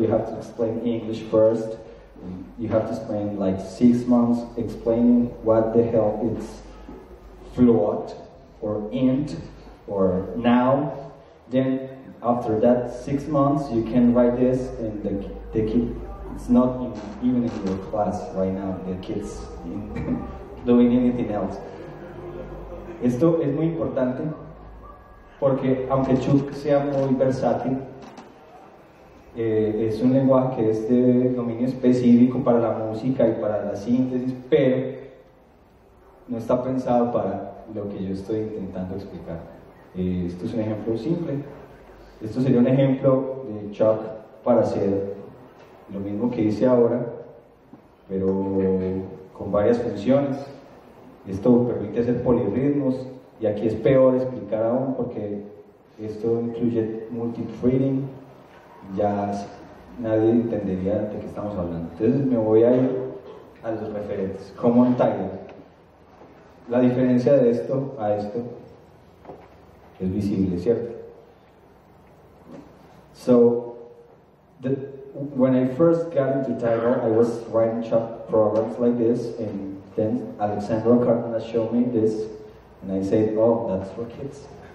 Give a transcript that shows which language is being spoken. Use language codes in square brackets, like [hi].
[en] You have to explain English first. You have to spend like 6 months explaining what the hell it's float or int or noun. Then after that 6 months, you can write this, and the kid, it's not even in your class right now. The kid's doing anything else. [es] Esto es muy importante porque aunque Chuck sea muy versátil, es un lenguaje que es de dominio específico para la música y para la síntesis, pero no está pensado para lo que yo estoy intentando explicar. Esto es un ejemplo simple. Esto sería un ejemplo de Chuck para hacer lo mismo que hice ahora, pero con varias funciones. Esto permite hacer polirritmos, y aquí es peor explicar aún porque esto incluye multithreading. Ya nadie entendería de qué estamos hablando. Entonces me voy a ir a los referentes. Common title. La diferencia de esto a esto es visible, ¿cierto? [en] So, when I first got into title, I was writing chat programs like this, and then Alexandra Cardenas showed me this, and I said, oh, that's for kids.